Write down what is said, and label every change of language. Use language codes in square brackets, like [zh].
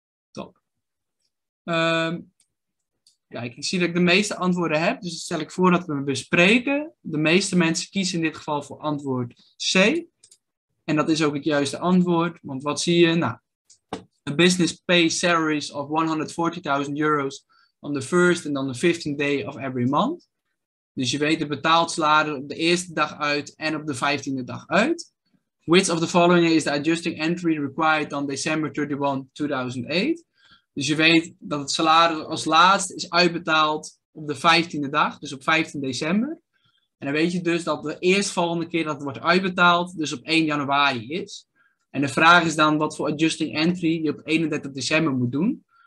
[nl] Top. Kijk, ik zie dat ik de meeste antwoorden heb, dus stel ik voor dat we bespreken. De meeste mensen kiezen in dit geval voor antwoord C. En dat is ook het juiste antwoord, want wat zie je? [en] Nou, a business pays salaries of 140.000 euros on the first and on the 15th day of every month. [nl] Dus je weet, het betaalt salaris op de eerste dag uit en op de 15e dag uit. [en] Which of the following is the adjusting entry required on December 31, 2008? [nl] Dus je weet dat het salaris als laatste is uitbetaald op de 15e dag, dus op 15 december. En dan weet je dus dat de eerstvolgende keer dat het wordt uitbetaald, dus op 1 januari is. En de vraag is dan wat voor adjusting entry je op 31 december moet doen.